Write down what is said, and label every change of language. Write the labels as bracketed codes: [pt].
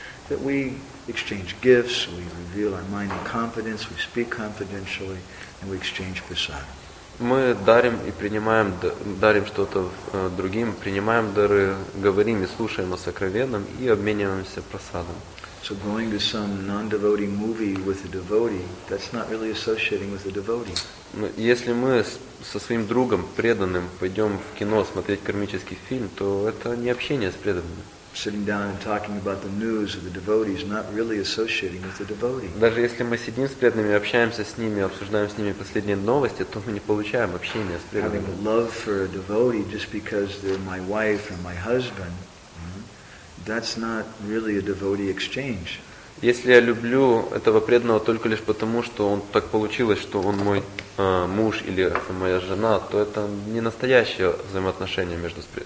[en] That we exchange gifts, we reveal our mind in confidence, we speak confidentially, and we exchange prasad. [ru] Мы дарим и принимаем, дарим что-то другим, принимаем дары, говорим и слушаем о сокровенном и обмениваемся просадом. [en] So going to some non-devotee movie with a devotee, that's not really associating with a devotee. [ru] Если мы со своим другом, преданным, пойдем в кино смотреть кармический фильм, то это не общение с преданными. [en] Sitting down and talking about the news of the devotee is not really associating with the devotee. [ru] Даже если мы сидим с преданными, общаемся с ними, обсуждаем с ними последние новости, то мы не получаем общения с преданными. [en] Having love for a devotee just because they're my wife or my husband, that's not really a devotee exchange. [ru] Если я люблю этого преданного только лишь потому, что он так получилось, что он мой муж или моя жена, то это не настоящее взаимоотношение между